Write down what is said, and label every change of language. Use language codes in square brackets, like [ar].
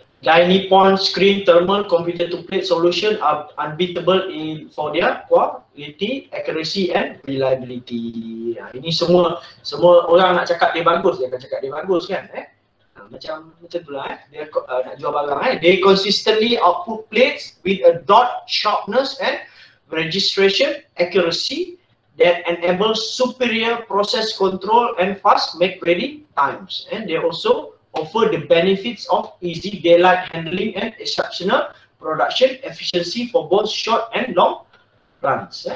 [en] Dai Nippon screen thermal computer to plate solution are unbeatable in for their quality, accuracy and reliability. [ms] Ya, ini semua orang nak cakap dia bagus, dia akan cakap dia bagus kan? Macam tu lah. Dia nak jual barang. [en] They consistently output plates with a dot sharpness and registration accuracy that enable superior process control and fast make-ready times. And they also offer the benefits of easy daylight handling and exceptional production efficiency for both short and long runs.